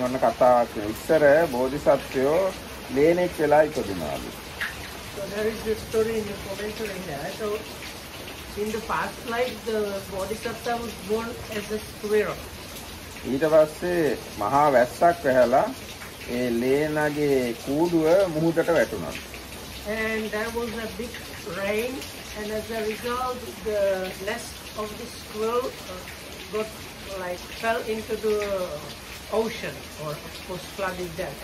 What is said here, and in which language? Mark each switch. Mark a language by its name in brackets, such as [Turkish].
[English] not having anybody can obstruct you. Oh, then you want to cut out. So there is this story in the commentary there. So in the past life, the Bodhisattva was born as a squirrel. [Sinhala] ඊට පස්සේ මහා වැස්සක් වැහැලා ඒ ලේනගේ කූඩුව මුහුදට වැටුණා. [English] And there was a big rain, and as a result, the nest of the squirrel got like fell into the ocean or was flooded there.